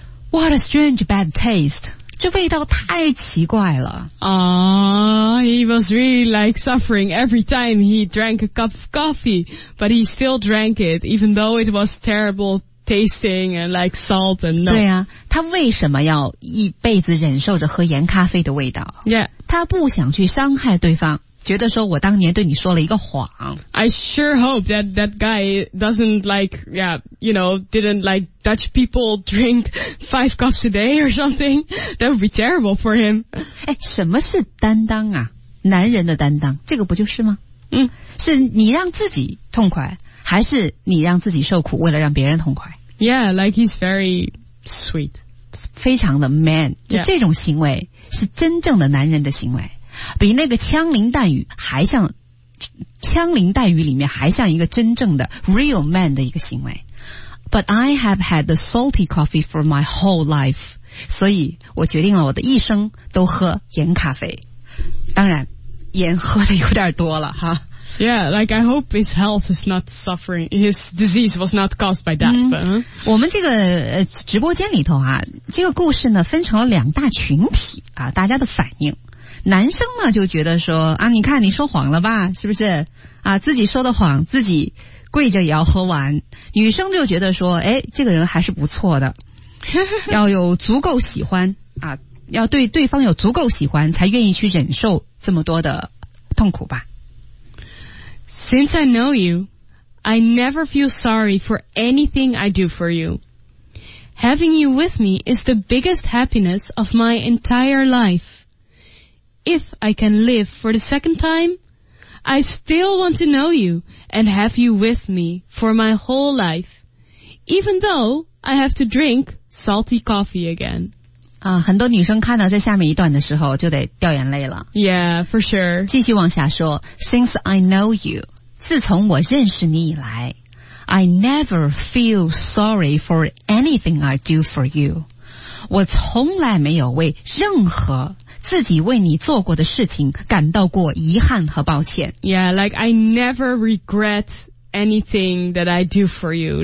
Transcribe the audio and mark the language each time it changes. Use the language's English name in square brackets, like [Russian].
[English] What a strange bad taste, [Chinese] 这味道太奇怪了。 [English] He was really like suffering every time he drank a cup of coffee, but he still drank it, even though it was terrible tasting and like salt and no. [Chinese] 对啊，他为什么要一辈子忍受着喝盐咖啡的味道？ [English] Yeah. [Chinese] 他不想去伤害对方，觉得说我当年对你说了一个谎。 [English] I sure hope that that guy doesn't like, yeah, you know, didn't like Dutch people drink 5 cups a day or something. That would be terrible for him. [Chinese] 哎，什么是担当啊？男人的担当，这个不就是吗？嗯，是你让自己痛快，还是你让自己受苦，为了让别人痛快 [English] ？Yeah, like he's very sweet, [Chinese] 非常的 man. 就这种行为是真正的男人的行为。比那个枪林弹雨还像，枪林弹雨里面还像一个真正的 real man 的一个行为。 [English] But I have had the salty coffee for my whole life, [Chinese] 所以我决定了我的一生都喝盐咖啡。当然，盐喝的有点多了哈。 [English] Yeah, like I hope his health is not suffering. His disease was not caused by that.、嗯、 but, huh? [Chinese] 我们这个直播间里头啊，这个故事呢分成了两大群体啊，大家的反应。男生呢就觉得说啊，你看你说谎了吧，是不是啊？自己说的谎自己跪着也要喝完。女生就觉得说，哎，这个人还是不错的，要有足够喜欢啊，要对对方有足够喜欢才愿意去忍受这么多的痛苦吧。 [English] Since I know you, I never feel sorry for anything I do for you. Having you with me is the biggest happiness of my entire lifeIf I can live for the second time, I still want to know you and have you with me for my whole life, even though I have to drink salty coffee again. [Chinese] 啊，很多女生看到这下面一段的时候就得掉眼泪了。 [English] Yeah, for sure. 继续往下说 ,Since I know you, [Chinese] 自从我认识你以来 [English] ,I never feel sorry for anything I do for you. [Chinese] 我从来没有为任何自己为你做过的事情感到过遗憾和抱歉。 [English] Yeah, like I never regret anything that I do for you.